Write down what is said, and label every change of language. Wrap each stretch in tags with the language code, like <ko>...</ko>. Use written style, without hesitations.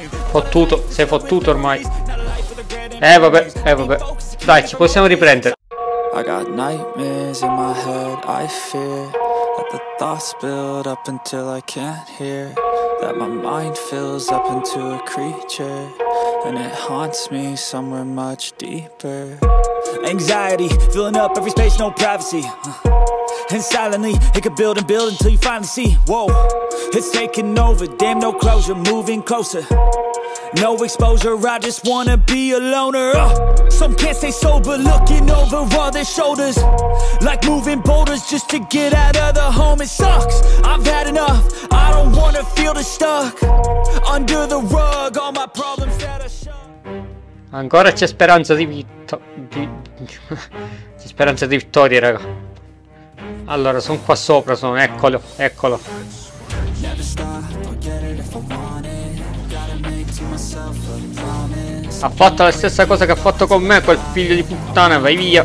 <it>Fottuto, sei fottuto ormai. Vabbè. Dai, ci possiamo riprendere.</it> <en>I got nightmares in my head, I fear that the thoughts build up until I can't hear, that my mind fills up into a creature and it haunts me somewhere much deeper. Anxiety filling up every space, no privacy. And silently, it could build and build until you finally see. Whoa, it's taking over, damn no closure, moving closer. No exposure, I just wanna be a loner. Some can't stay sober, looking over all their shoulders, like moving boulders just to get out of the home. It sucks, I've had enough, I don't wanna feel the stuck under the rug, all my problems that I shove.</en> <it>Ancora c'è speranza di vittoria. C'è speranza di vittoria, raga. Allora, sono qua sopra, sono, eccolo. Ha fatto la stessa cosa che ha fatto con me, quel figlio di puttana, vai via.</it>